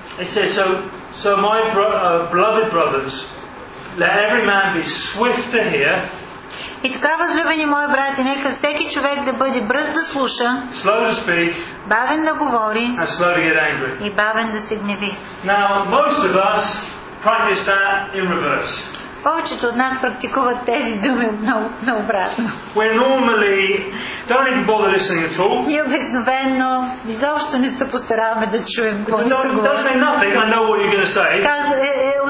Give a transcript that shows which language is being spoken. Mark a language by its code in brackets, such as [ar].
[en] It says so my beloved brothers, let every man be swift to hear. [bg] И така, възлюбени мои брати, нека всеки човек да бъде бърз да слуша, [en] slow to speak, [bg] бавен да говори [en] and slow to get angry. [bg] И бавен да се гневи. [en] Now, most of us practice that in reverse. [bg] Повечето от нас практикуват тези думи наобратно. [en] We're normally don't even bother listening at all. [bg] И обикновено изобщо не се постараваме да чуем какво се говори. [en] Don't say nothing, I know what you're going to say.